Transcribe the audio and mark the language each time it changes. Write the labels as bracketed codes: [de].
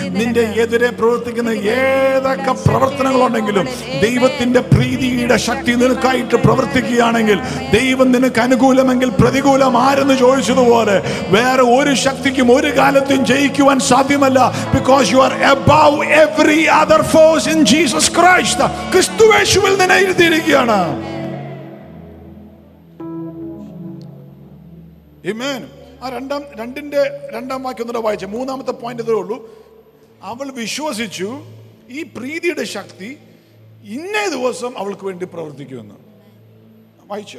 [ml] നിന്റെ എതിരെ പ്രവർത്തിക്കുന്ന ഏതൊക്കെ പ്രവർത്തനങ്ങൾ ഉണ്ടെങ്കിലും ദൈവത്തിന്റെ പ്രീതിയുടെ ശക്തി നിനക്കായിട്ട് പ്രവർത്തിക്കുകയാണെങ്കിൽ, ദൈവം നിനക്ക് അനുകൂലമെങ്കിൽ പ്രതികൂലം ആരെന്ന് ചോദിച്ചതുപോലെ വേറെ ഒരു ശക്തിക്കും ഒരു കാലത്തും ജയിക്കുവാൻ സാധ്യമല്ല. [en] Because you are above every other force in Jesus Christ. [ml] ക്രിസ്തു യേശുവിൽ നിന്നെ എഴുതിയിരിക്കുകയാണ്. Amen. രണ്ടിന്റെ രണ്ടാം വാക്യം കൂടെ വായിച്ചു. മൂന്നാമത്തെ പോയിന്റ് ഇതേ ഉള്ളൂ. അവൾ വിശ്വസിച്ചു ഈ പ്രീതിയുടെ ശക്തി ഇന്ന ദിവസം അവൾക്ക് വേണ്ടി പ്രവർത്തിക്കുമെന്ന് വായിച്ചു.